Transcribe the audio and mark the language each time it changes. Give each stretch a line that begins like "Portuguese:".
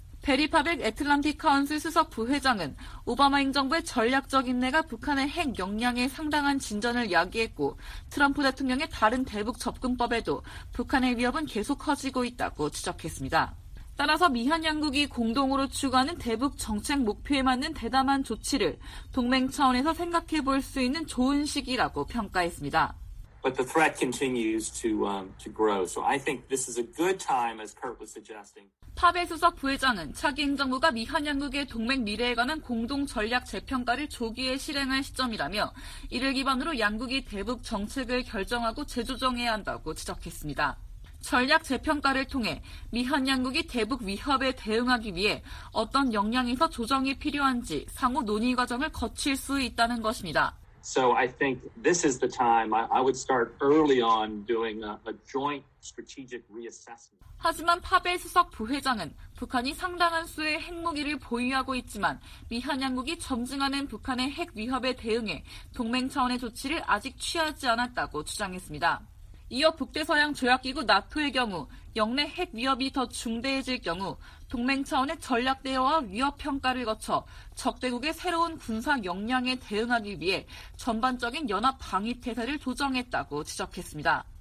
Korean: 베리 파벡 애틀란틱 카운슬 수석 부회장은 오바마 행정부의 전략적 인내가 북한의 핵 역량에 상당한 진전을 야기했고 트럼프 대통령의 다른 대북 접근법에도 북한의 위협은 계속 커지고 있다고 지적했습니다. 따라서 미한 양국이 공동으로 추구하는 대북 정책 목표에 맞는 대담한 조치를 동맹 차원에서 생각해 볼 수 있는 좋은 시기라고 평가했습니다.
English: But the threat continues to grow. So I think this is a good time as Kurt was suggesting.
Korean: 파베 수석 부회장은 차기 행정부가 미한 양국의 동맹 미래에 관한 공동 전략 재평가를 조기에 실행할 시점이라며 이를 기반으로 양국이 대북 정책을 결정하고 재조정해야 한다고 지적했습니다. 전략 재평가를 통해 미한 양국이 대북 위협에 대응하기 위해 어떤 역량에서 조정이 필요한지 상호 논의 과정을 거칠 수 있다는 것입니다.
English: So I think this is the time I would start early on doing a joint strategic reassessment.
Korean: 하지만 파벨 수석 부회장은 북한이 상당한 수의 핵무기를 보유하고 있지만 미한 양국이 점증하는 북한의 핵 위협에 대응해 동맹 차원의 조치를 아직 취하지 않았다고 주장했습니다. 이어 북대서양 조약기구 나토의 경우 영내 핵 위협이 더 중대해질 경우 동맹 차원의 전략 대응와 위협 평가를 거쳐 적대국의 새로운 군사 역량에 대응하기 위해 전반적인 연합 방위 태세를 조정했다고 지적했습니다.